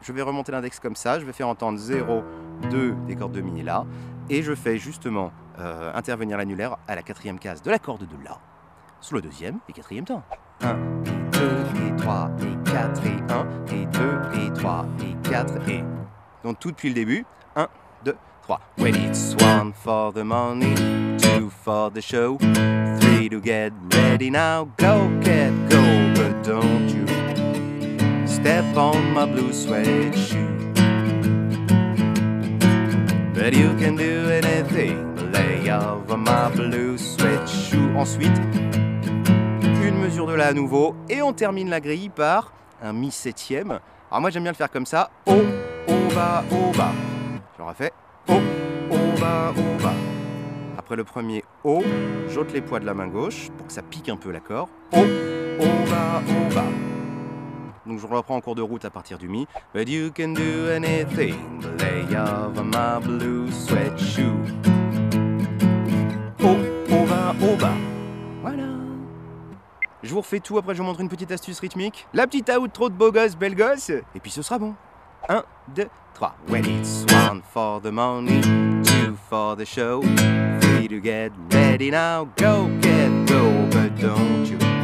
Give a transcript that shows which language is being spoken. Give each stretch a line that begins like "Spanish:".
French: Je vais remonter l'index comme ça, je vais faire entendre 0, 2 des cordes de Mi et La, et je fais justement intervenir l'annulaire à la quatrième case de la corde de La, sous le deuxième et quatrième temps. 1 et 2 et 3 et 4 et 1 et 2 et 3 et 4 et... Donc tout depuis le début, 1, 2... 3.
English: When it's one for the money, two for the show, three to get ready now, go get go, but don't you step on my blue suede shoe. But you can do anything, lay off my blue suede shoe.
French: Ensuite, une mesure. mesure de là à nouveau et on termine la grille par un mi septième. Alors moi j'aime bien le faire comme ça, haut, haut, bas, haut, bas. Je refais, haut, haut, bas, haut, bas. Après le premier haut, j'ôte les poids de la main gauche pour que ça pique un peu l'accord. Haut, haut, bas, haut, bas. Donc je reprends en cours de route à partir du mi.
English: But you can do anything, the lay of my blue sweatshoe.
French: Oh, oh bah, oh bah. Voilà. Je vous refais tout, après je vous montre une petite astuce rythmique. La petite outro de beau gosse, belle gosse. Et puis ce sera bon. 1, 2, 3.
English: When it's one for the money, two for the show, three to get ready now, go get go, but don't you.